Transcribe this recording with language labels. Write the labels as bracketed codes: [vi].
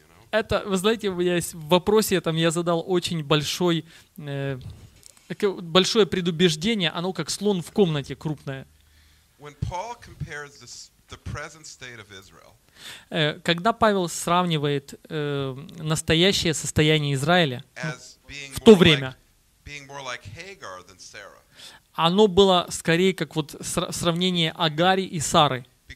[ru] Это, вы знаете, в вопросе этом я задал очень большое предубеждение, оно как слон в комнате крупное. [en] When Paul compares the present state of Israel, [ru] когда Павел сравнивает настоящее состояние Израиля в то время, [en] being more like Hagar than Sarah. [ru] Оно было скорее как вот сравнение Агари и Сары.